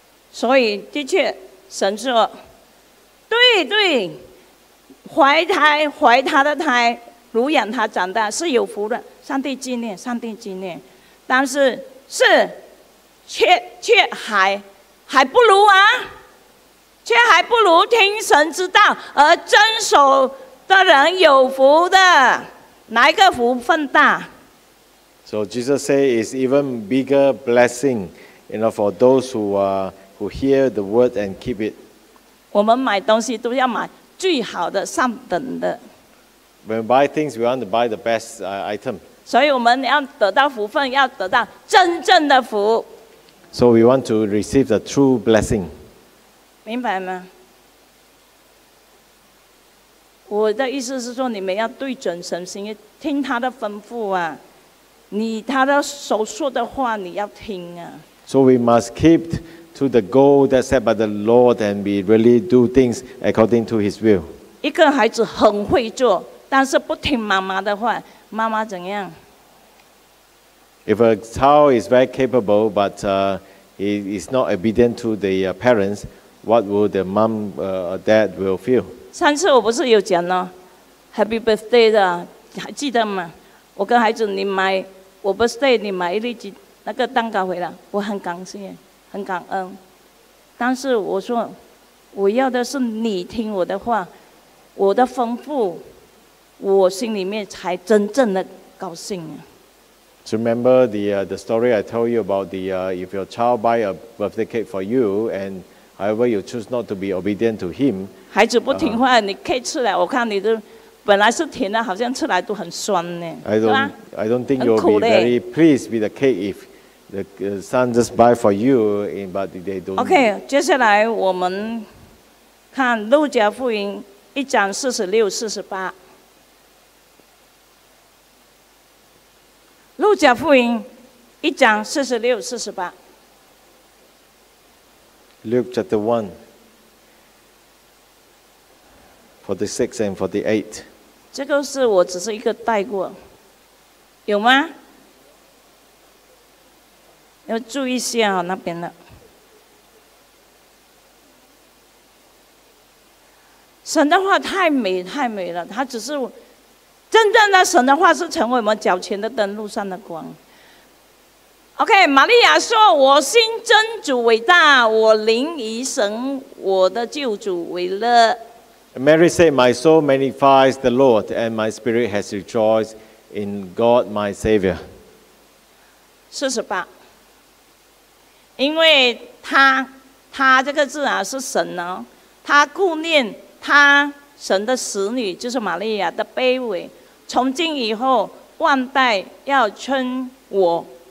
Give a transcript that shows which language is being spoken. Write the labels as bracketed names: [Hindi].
[Chinese] 所以的确神说对对怀胎怀他的胎乳养他长大是有福的上帝纪念上帝纪念但是是却还不如啊却还不如听神之道而遵守的人有福的哪一个福分大 [English] So Jesus say it's even bigger blessing you know for those who hear the word and keep it. [Chinese] 我们买东西都要买最好的上等的。 [English] When we buy things, we want to buy the best item. [Chinese] 所以我们要得到福分，要得到真正的福。 [English] So we want to receive the true blessing. [Chinese] 明白吗？我的意思是说，你们要对准神心意，听他的吩咐啊，你他的所说的话你要听啊。 [English] So we must keep. To the goal that's set by the Lord, and we really do things according to His will. [Chinese] 一个孩子很会做，但是不听妈妈的话，妈妈怎样 [English] ？If a child is very capable, but he is not obedient to the parents, what will the mom, dad will feel? [Chinese] 上次我不是有讲呢 ， [English] Happy birthday [Chinese] 的，还记得吗？我跟孩子，你买我 birthday， 你买一粒几那个蛋糕回来，我很感谢。很感恩，但是我说，我要的是你听我的话，我的吩咐，我心里面才真正的高兴。 [English] So remember the story I told you about if your child buy a birthday cake for you and however you choose not to be obedient to him， [Chinese] 孩子不听话，你 cake 吃了，我看你都本来是甜的，好像吃来都很酸呢，是吧 [English] ？I don't think you'll be very pleased with the cake if. The son just buy for you, but they don't. [Chinese] Okay, 接下来我们看路加福音一章四十六、四十八。路加福音一章四十六、四十八。 [English] Luke chapter 1:46 and 48. [Chinese] 这个是我只是一个带过，有吗？要注意一下、哦、那边的。神的话太美太美了，他只是真正的神的话是成为我们脚前的灯，路上的光。 OK， 玛利亚说：“我心真主伟大，我灵以神我的救主为乐。” [English] Mary said, "My soul magnifies the Lord, and my spirit has rejoiced in God, my Savior." [Chinese] 四十八，因为他这个字啊是神呢、哦，他顾念他神的使女，就是玛利亚的卑微，从今以后万代要称我。